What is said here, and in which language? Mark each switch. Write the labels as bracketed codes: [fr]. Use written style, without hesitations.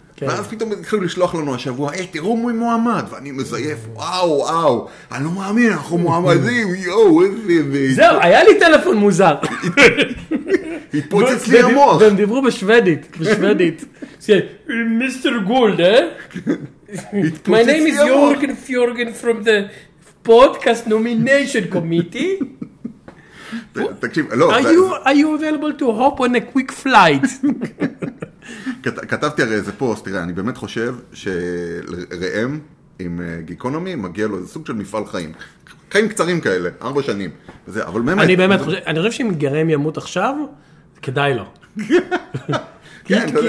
[he] ואז פתאום התחילו לשלוח לנו השבוע, אה, תראו מי מועמד, ואני מזייף, וואו, וואו, אני לא מאמין, אנחנו מועמדים, יואו, איזה... זהו, היה לי טלפון מוזר. התפוצץ לי המוח. והם דיברו בשוודית, בשוודית. מיסטר גולד, אה? התפוצץ לי המוח. [en] My name is Jorgen Fjorgen from the podcast nomination committee. [he] תקשיב, לא. [en] Are you available to hop on a quick flight? [he] כתבתי הרי איזה פוסט, תראה, אני באמת חושב שראם עם גיקונומי מגיע לו איזה סוג של מפעל חיים. חיים קצרים כאלה, 4 שנים. וזה, אבל באמת... אני באמת חושב, אני חושב שאם גרם ימות עכשיו, כדאי לו. כן,